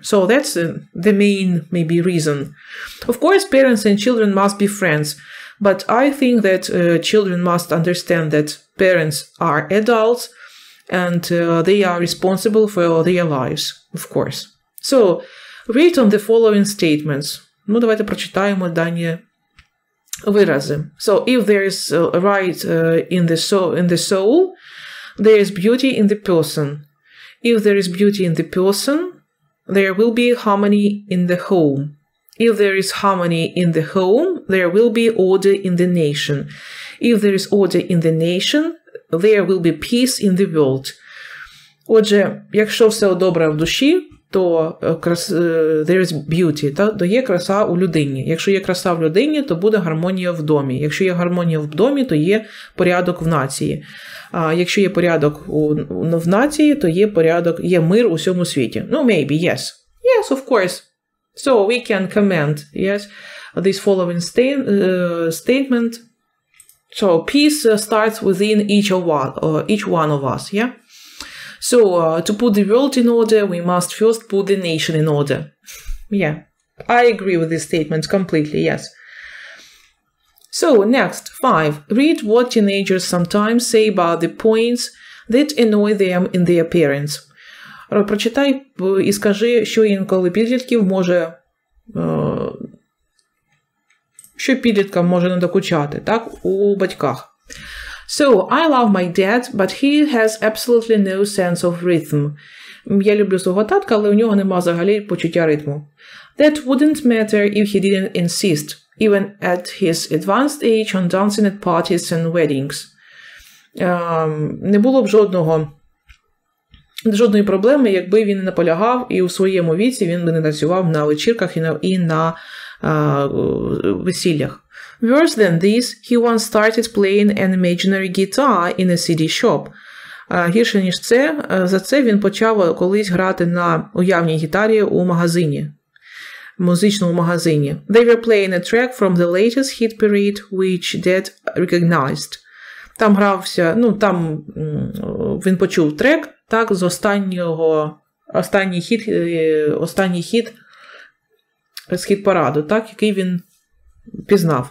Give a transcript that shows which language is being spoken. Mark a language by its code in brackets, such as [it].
[en] So that's the main, maybe, reason. Of course, parents and children must be friends. But I think that children must understand that parents are adults and they are responsible for their lives, of course. So, read on the following statements. [uk] Ну, давайте прочитаємо дані вирази. [en] So, if there is right in the soul, there is beauty in the person. If there is beauty in the person, there will be harmony in the home. If there is harmony in the home, there will be order in the nation. If there is order in the nation, there will be peace in the world. [uk] Отже, якщо все добре в душі, то [en] there is beauty, [uk] то є краса у людині. Якщо є краса в людині, то буде гармонія в домі. Якщо є гармонія в домі, то є порядок в нації. А якщо є порядок в нації, то є порядок, є мир у всьому світі. [en] Ну, maybe, yes. Yes, of course. So, we can comment, yes, this following statement. So, peace starts within each one of us, yeah? So, to put the world in order, we must first put the nation in order. Yeah, I agree with this statement completely, yes. So, next, 5. Read what teenagers sometimes say about the points that annoy them in their parents. [uk] Прочитай і скажи, що інколи підлітків може... Що підліткам може надокучати, так, у батьках. [en] So, I love my dad, but he has absolutely no sense of rhythm. [uk] Я люблю свого татка, але у нього нема взагалі почуття ритму. [en] That wouldn't matter if he didn't insist, even at his advanced age, on dancing at parties and weddings. [uk] Не було б жодної проблеми, якби він не наполягав, і у своєму віці він би не танцював на вечірках і на весіллях. [en] Worse than this, he once started playing an imaginary guitar in a CD shop. [uk] Гірше, ніж це, за це він почав колись грати на уявній гітарі у магазині, музичному магазині. [en] They were playing a track from the latest hit parade, which Dad recognized. [uk] Там грався, ну, там він почув трек, так, з останній хіт з хіт-параду, так, який він пізнав.